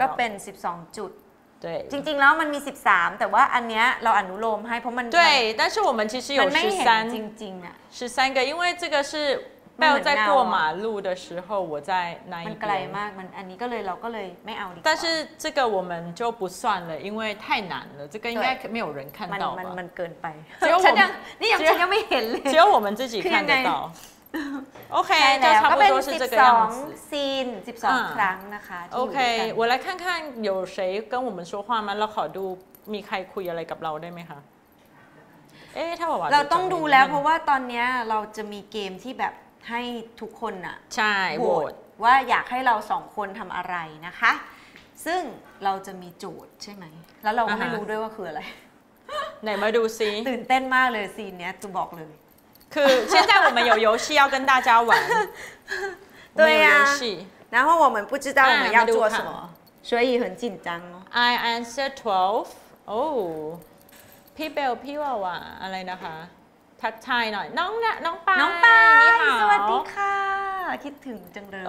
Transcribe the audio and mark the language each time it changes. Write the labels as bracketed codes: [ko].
[th] ก็เป็น12จุดจริงๆแล้วมันมี13แต่ว่าอันเนี้ยเราอนุโลมให้เพราะมัน ใช่ [zh] 但是我们其实有13 [th] จริงๆอ่ะ [zh] 13个因为这个是贝尔在过马路的时候我在那一边 [th] มันไกลมากมันอันนี้ก็เลยเราก็เลยไม่เอาดีกว่ [zh] า但是这个我们就不算了因为太难了这个应该没有人看到吧 [th] มันเกินไป ฉัน ยังนี่ฉันยังไม่เห็นเลย [zh] 只有我们自己看得到 [th] โอเคก็ [zh] 差不多是这个样子 [th] ซีน12ครั้งนะคะ โอเค [zh] 我来看看有谁跟我们说话吗 [th] เราขอดูมีใครคุยอะไรกับเราได้มั้ยคะเอ๊ะถ้าว่า เราต้องดูแล้วเพราะว่าตอนเนี้ยเราจะมีเกมที่แบบให้ทุกคนน่ะ ใช่โหวต ว่าอยากให้เรา2คนทําอะไรนะคะซึ่งเราจะมีโจทย์ใช่มั้ยแล้วเราก็ไม่รู้ด้วยว่าคืออะไร ไหนมาดูซิ ตื่นเต้นมากเลยซีนเนี้ยจะบอกเลย [zh] คือ现在我们有游戏要跟大家玩对呀然后我们不知道我们要做什么所以很紧张哦 [en] I answer 12 oh [th] Pibel Pibel อะไรนะคะทักทายหน่อยน้องน้องปาย น้องปายสวัสดีค่ะคิดถึงจังเลย